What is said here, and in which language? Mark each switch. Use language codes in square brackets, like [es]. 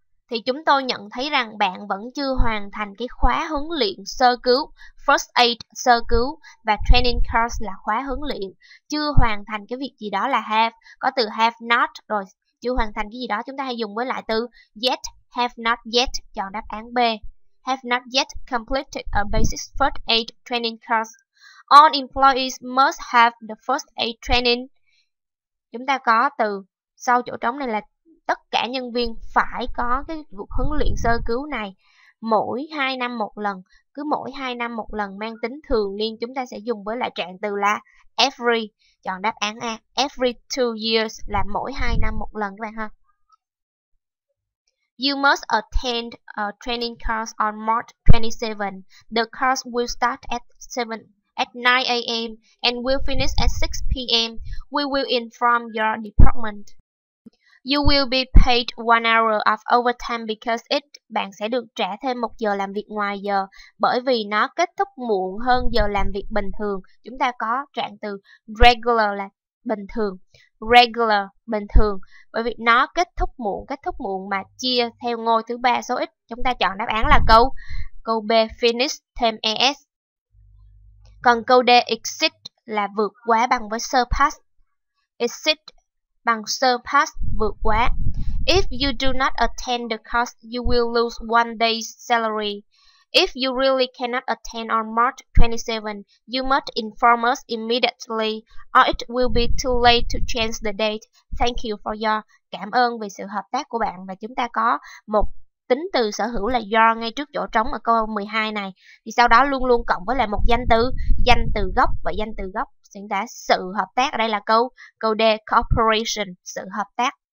[vi] Thì chúng tôi nhận thấy rằng bạn vẫn chưa hoàn thành cái khóa huấn luyện sơ cứu, first aid sơ cứu và training course là khóa huấn luyện. Chưa hoàn thành cái việc gì đó là have, có từ have not rồi, chưa hoàn thành cái gì đó chúng ta hay dùng với lại từ yet, [en] have not yet, [vi] chọn đáp án B. [en] Have not yet completed a basic first aid training course. All employees must have the first aid training. [vi] Chúng ta có từ sau chỗ trống này là tất cả nhân viên phải có cái cuộc huấn luyện sơ cứu này mỗi 2 năm một lần. Cứ mỗi 2 năm một lần mang tính thường niên, chúng ta sẽ dùng với lại trạng từ là every. Chọn đáp án A. [en] Every 2 years [vi] là mỗi 2 năm một lần các bạn ha. [en] You must attend a training course on March 27. The course will start at 7 at 9 a.m. and will finish at 6 p.m. We will inform your department. You will be paid 1 hour of overtime because it, [vi] bạn sẽ được trả thêm 1 giờ làm việc ngoài giờ bởi vì nó kết thúc muộn hơn giờ làm việc bình thường. Chúng ta có trạng từ regular là bình thường. Regular, bình thường. Bởi vì nó kết thúc muộn mà chia theo ngôi thứ ba số ít. Chúng ta chọn đáp án là câu B, finish thêm ES. Còn câu D, exceed là vượt quá bằng với surpass. Exceed bằng surpass, vượt quá. [en] If you do not attend the course, you will lose one day's salary. If you really cannot attend on March 27, you must inform us immediately or it will be too late to change the date. Thank you for your. [vi] Cảm ơn vì sự hợp tác của bạn. Và chúng ta có một tính từ sở hữu là your ngay trước chỗ trống ở câu 12 này. Thì sau đó luôn luôn cộng với lại một danh từ gốc và danh từ gốc diễn tả sự hợp tác. Ở đây là câu D, cooperation, sự hợp tác.